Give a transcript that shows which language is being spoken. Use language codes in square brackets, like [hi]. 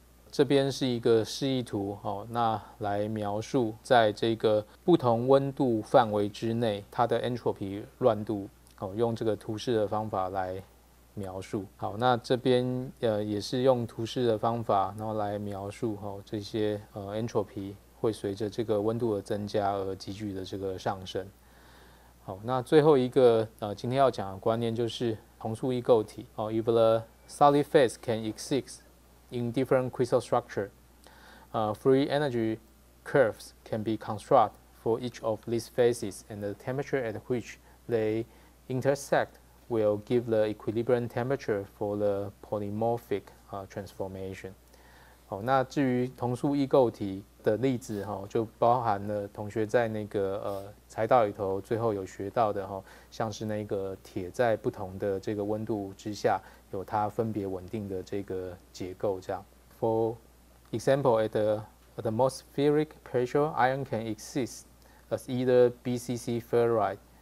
[zh] 这边是一个示意图哦，那来描述在这个不同温度范围之内，它的 entropy 乱度哦，用这个图示的方法来描述好，那这边也是用图示的方法，然后来描述哈、哦、这些entropy 会随着这个温度的增加而急剧的这个上升。好，那最后一个今天要讲的观念就是同素异构体哦。 [en] If the solid phase can exist in different crystal structure, free energy curves can be constructed for each of these phases, and the temperature at which they intersect will give the equilibrium temperature for the polymorphic transformation。 [zh] 哦，那至于同素异构体的例子，哈、哦，就包含了同学在那个材料里头最后有学到的，哈、哦，像是那个铁在不同的这个温度之下，有它分别稳定的这个结构，这样。 [en] For example, at the atmospheric pressure, iron can exist as either BCC ferrite。